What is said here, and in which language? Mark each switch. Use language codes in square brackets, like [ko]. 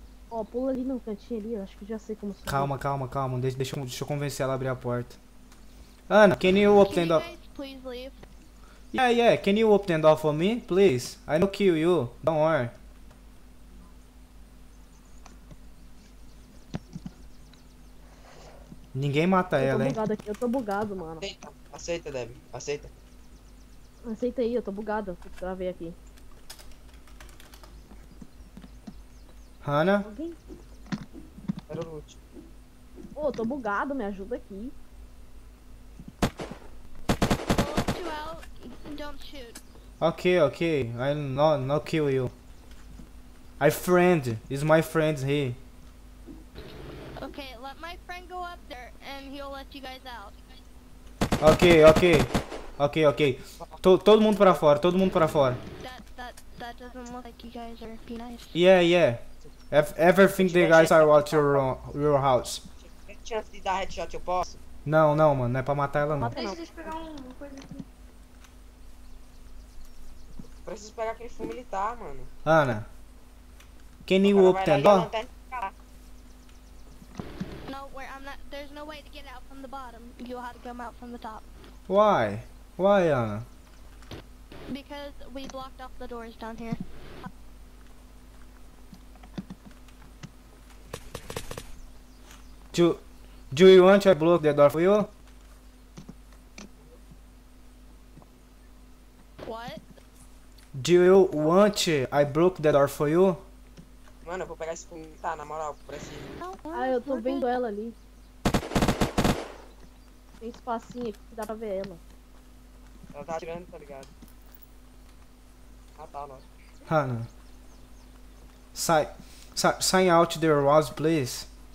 [pt] Ó, oh, pula ali no cantinho ali, eu acho que já sei como sair. Calma. Deixa eu convencer ela a abrir a porta. [en] Anna, can you open can Can you guys please leave? Yeah, can you open the door for me, please? I don't kill you, don't worry. [pt] Ninguém mata ela, hein? Eu tô bugado aqui, eu tô bugado, mano. Aceita, Deb, aceita. Aceita aí, eu tô bugado, eu travei aqui. Hana? Era o loot. Pô, tô bugado, me ajuda aqui. [en] Ok, ok, I'll not kill you. My friend, is my friend here. Okay, let my friend go up there and he'll let you guys out. Ok, ok, ok, ok. [pt] Todo mundo pra fora, todo mundo pra fora. [en] That doesn't look like you guys are being nice. Yeah, yeah. Everything the guys are at your house. [pt] Tem chance de dar headshot, eu posso? Não, não, mano, não é pra matar ela, não. Deixa eu pegar uma coisa aqui. Preciso pegar aquele fumo militar, mano. [en] Ana. Can you open the door? No, where I'm not. There's no way to get out from the bottom. You'll have to come out from the top. Why? Why, Ana? Because we blocked off the doors down here. Do you want to block the door for you? Do you want I broke the door for you? [pt] Mano, eu vou pegar esse fumo, tá, na moral, preciso. Ah, eu tô vendo ela ali. Tem espacinho aqui que dá pra ver ela. Ela tá atirando, tá ligado? Ah, tá, lógico. [en] Hana. Sign out the walls, please.